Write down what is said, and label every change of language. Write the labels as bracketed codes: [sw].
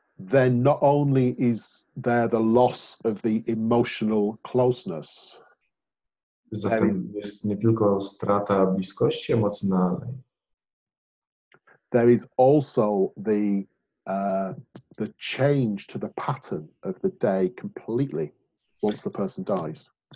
[en] then not only is there the loss of the emotional closeness. [pl] Zatem jest nie tylko strata bliskości emocjonalnej. [en] There is also the change to the pattern of the day completely once the person dies.